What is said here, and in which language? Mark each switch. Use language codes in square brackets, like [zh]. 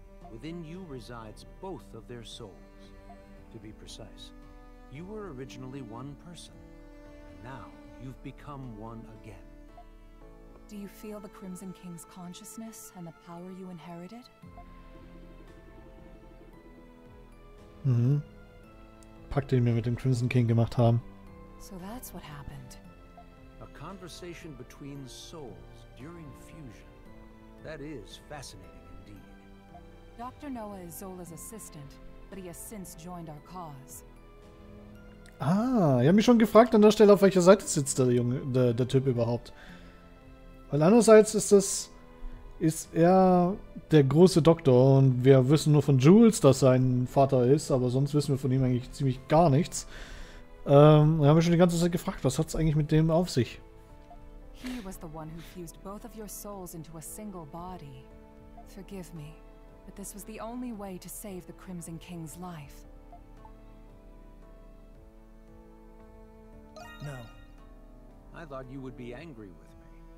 [en] Within you resides both of their souls. To be precise, you were originally one person, and now you've become one again. Do you feel the Crimson King's consciousness and the power you inherited? [de] Pack, den wir mit dem Crimson King gemacht haben. [en] So that's what happened. A conversation between souls during fusion. That is fascinating indeed. Dr. Noah is Zola's assistant, but he has since joined our cause. [de] Ah, ich habe mich schon gefragt an der Stelle, auf welcher Seite sitzt der Junge, der Typ überhaupt. Weil andererseits ist er der große Doktor und wir wissen nur von Jules, dass sein Vater ist, aber sonst wissen wir von ihm eigentlich ziemlich gar nichts. Wir haben mich schon die ganze Zeit gefragt, was hat es eigentlich mit dem auf sich? [en] He was the one who fused both of your souls into a single body. Forgive me, but this was the only way to save the Crimson King's life. No. I thought you would be angry with me.